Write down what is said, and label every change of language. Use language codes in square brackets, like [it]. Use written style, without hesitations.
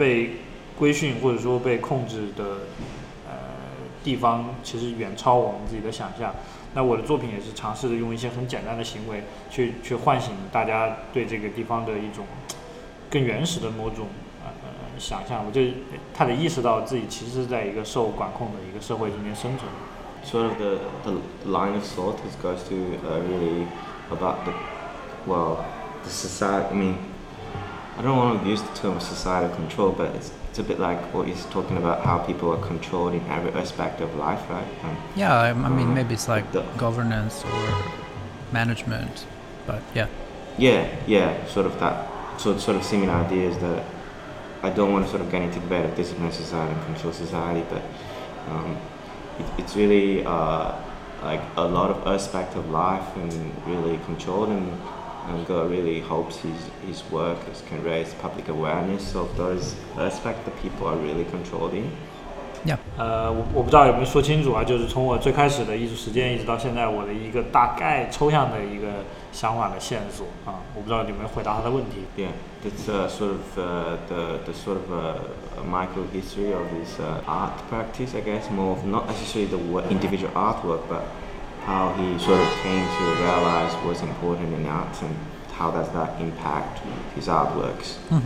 [zh] 基本上是这个意思，所以那之后就是我的艺术实践可能开始对这一方面有一个相对明确的兴趣，这也是后来就是一步一步的引向了这个类似于路牌啊之类的这一系列作品，我觉得就是事实上顺着这个实践脉络往下，也确实发现城市里面很多东西，就我们被规训或者说被控制的。地方其实远超我们自己的想象。那我的作品也是尝试着用一些很简单的行为去唤醒大家对这个地方的一种更原始的某种想象，我就他得意识到自己其实在一个受管控的一个社会中间生存。 [en] Sort of the line of thought is goes to really about the well the society. I mean, I don't want to use the term societal control, but it's a bit like what he's talking about, how people are controlled in every aspect of life, right? I mean, maybe it's like the governance or management, but yeah. Yeah, sort of that. So it's sort of similar ideas that I don't want to sort of get into the bed of discipline society and control society, but it's really like a lot of aspect of life and really controlled, and God really hopes his work can raise public awareness of those aspects that people are really controlling. [zh] 我不知道有没有说清楚啊，就是从我最开始的艺术实践一直到现在，我的一个大概抽象的一个想法的线索啊，我不知道有没有回答他的问题。 [en] Yeah, it's micro history of this art practice, I guess, more of not necessarily the individual artwork, but how he sort of came to realize what's important in art and how does that impact his artworks.